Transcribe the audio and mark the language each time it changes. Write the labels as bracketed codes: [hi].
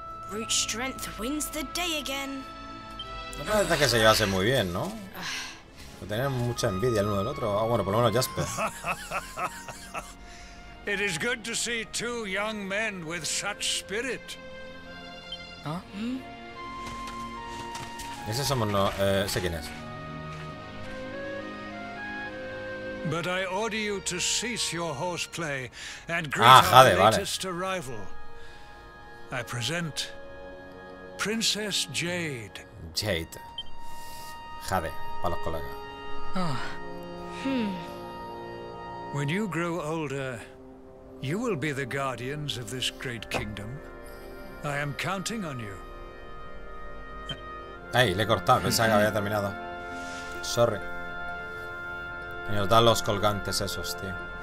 [en] Brute strength wins the day again. [es] No parece que se llevase muy bien, ¿no? Tenían mucha envidia el uno del otro. Ah, bueno, por lo menos Jasper. [en] It is good to see two young men with such spirit. ¿Ah? [es] Ese somos no, sé quién es. [en] But I order you to cease your horseplay and greet our latest [es] vale. [en] arrival. I present Princess Jade. [es] Jade. Jade, para los colegas. [en] When you grow older, you will be the guardians of this great kingdom. I am counting on you. [es] Hey, le he cortado, pensaba que había terminado. Sorry. Y nos dan los colgantes esos, tío.